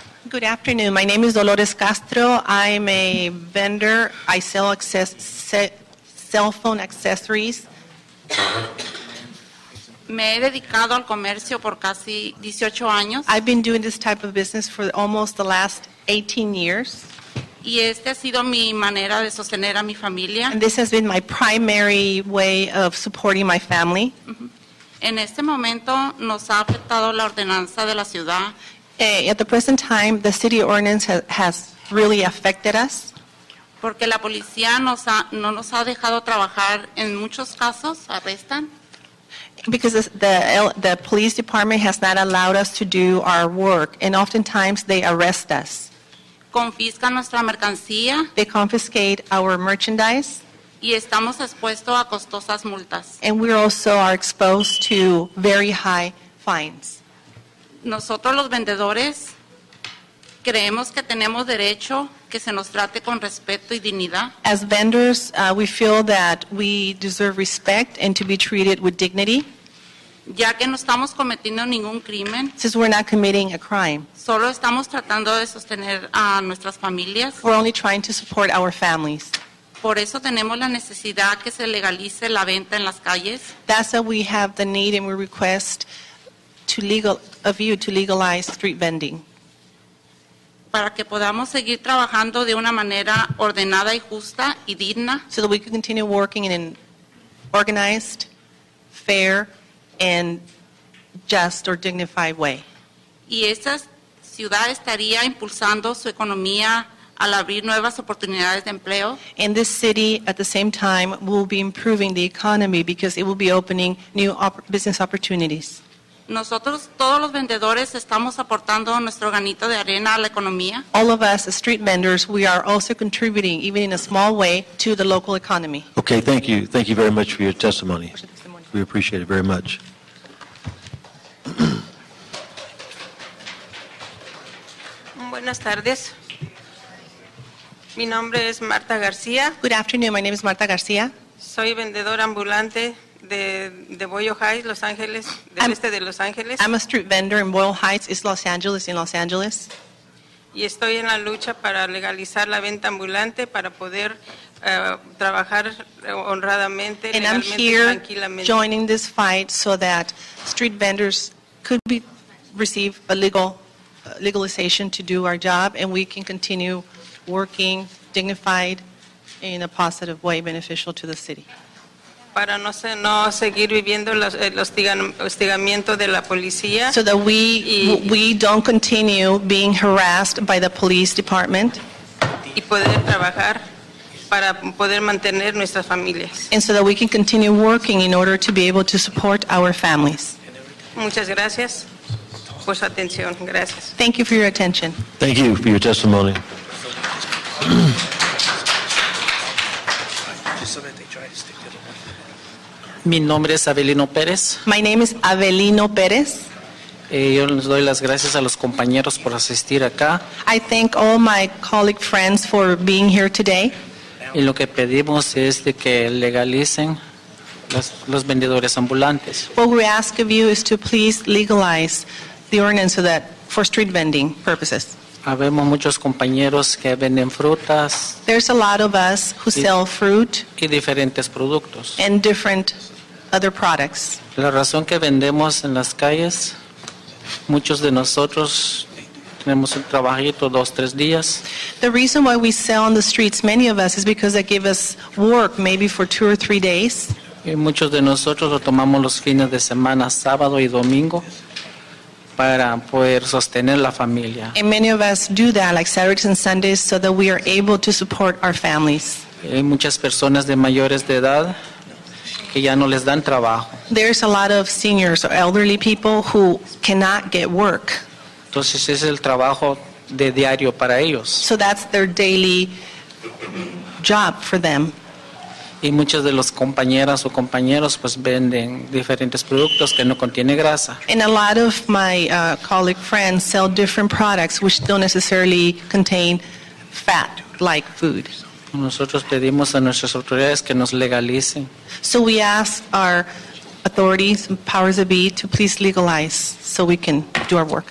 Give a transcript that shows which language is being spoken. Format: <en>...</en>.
<en>Good afternoon. My name is Dolores Castro. I'm a vendor. I sell cell phone accessories.</en> <es>Me he dedicado al comercio por casi 18 años.</es> <en>I've been doing this type of business for almost the last 18 years.</en> <es>Y este ha sido mi manera de sostener a mi familia.</es> <en>And this has been my primary way of supporting my family.</en> <es>En este momento nos ha afectado la ordenanza de la ciudad.</es> <en>At the present time, the city ordinance has really affected us.</en> <es>Porque la policía no nos ha dejado trabajar en muchos casos, arrestan.</es> <en>Because the police department has not allowed us to do our work, and oftentimes they arrest us.</en> <es>Confiscan nuestra mercancía.</es> <en>They confiscate our merchandise.</en> <es>Y estamos expuestos a costosas multas.</es> <en>And we also are exposed to very high fines.</en> <es>Nosotros los vendedores creemos que tenemos derecho que se nos trate con respeto y dignidad.</es> <en>As vendors, we feel that we deserve respect and to be treated with dignity.</en> <es>Ya que no estamos cometiendo ningún crimen.</es> <en>Since we're not committing a crime.</en> <es>Solo estamos tratando de sostener a nuestras familias.</es> <en>We're only trying to support our families.</en> <es>Por eso tenemos la necesidad que se legalice la venta en las calles.</es> <en>That's why we have the need and we request to legalize street vending.</en> <es>Para que podamos seguir trabajando de una manera ordenada y justa y digna.</es> <en>So that we can continue working in an organized, fair, and just or dignified way.</en> <es>Y esa ciudad estaría impulsando su economía al abrir nuevas oportunidades de empleo.</es> <en>And this city, at the same time, will be improving the economy because it will be opening new business opportunities.</en> <es>Nosotros, todos los vendedores, estamos aportando nuestro granito de arena a la economía.</es> <en>All of us, street vendors, we are also contributing, even in a small way, to the local economy. Okay, thank you. Thank you very much for your testimony. We appreciate it very much.</en> <es>Buenas tardes. Mi nombre es Marta García.</es> <en>Good afternoon. My name is Marta García.</en> <es>Soy vendedora ambulante de Boyle Heights, Los Ángeles, del este de Los Ángeles.</es> <en>I'm a street vendor in Boyle Heights. It's Los Angeles, in Los Angeles.</en> <es>Y estoy en la lucha para legalizar la venta ambulante para poder trabajar honradamente,</es> <en>and I'm here joining this fight so that street vendors could receive a legalization to do our job, and we can continue working dignified in a positive way, beneficial to the city.</en> <es>Para no seguir viviendo los hostigamiento de la policía.</es> <en>So that we don't continue being harassed by the police department.</en> <es>Y poder trabajar para poder mantener nuestras familias.</es> <en>And so that we can continue working in order to be able to support our families.</en> <es>Muchas gracias por su atención. Gracias.</es> <en>Thank you for your attention. Thank you for your testimony.</en> <es>Mi nombre es Avelino Pérez.</es> <en>My name is Avelino Pérez.</en> <es>Yo les doy las gracias a los compañeros por asistir acá.</es> <en>I thank all my colleague friends for being here today.</en> <es>Y lo que pedimos es de que legalicen los vendedores ambulantes.</es> <en>What we ask of you is to please legalize the ordinance so that for street vending purposes.</en> <es>Habemos muchos compañeros que venden frutas.</es> <en>There's a lot of us who sell fruit.</en> <es>Y diferentes productos.</es> <en>And different other products.</en> <es>La razón que vendemos en las calles, muchos de nosotros tenemos un trabajito dos, tres días.</es> <en>The reason why we sell on the streets, many of us, is because they give us work maybe for two or three days.</en> <es>Y muchos de nosotros lo tomamos los fines de semana, sábado y domingo, para poder sostener la familia.</es> <en>And many of us do that, like Saturdays and Sundays, so that we are able to support our families.</en> <es>Hay muchas personas de mayores de edad que ya no les dan trabajo.</es> <en>There's a lot of seniors or elderly people who cannot get work.</en> <es>Entonces es el trabajo de diario para ellos.</es> <en>So that's their daily job for them.</en> <es>Y muchas de las compañeras o compañeros pues venden diferentes productos que no contiene grasa.</es> <en>And a lot of my colleague friends sell different products which don't necessarily contain fat like food.</en> <es>Nosotros pedimos a nuestras autoridades que nos legalicen.</es> <en>So we ask our authorities, powers that be, to please legalize so we can do our work.</en>